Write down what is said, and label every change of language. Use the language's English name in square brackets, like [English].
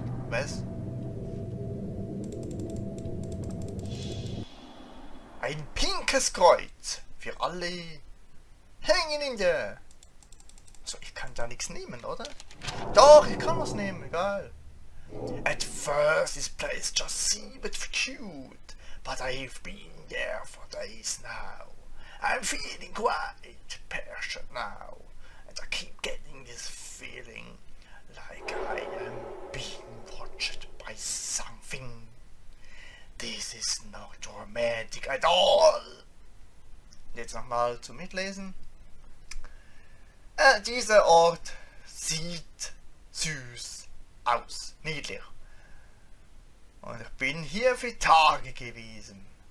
[German] Was? Ein pinkes Kreuz. Für alle Hängende. So, ich kann da nichts nehmen, oder? Doch, ich kann was nehmen, egal. [English] At first, this place just seemed cute, but I've been there for days now. I'm feeling quite patient now, and I keep getting this feeling like I am being watched by something. This is not romantic at all. [German] Jetzt nochmal zum Mitlesen. Dieser Ort sieht süß aus, niedlich. Und ich bin hier für Tage gewesen.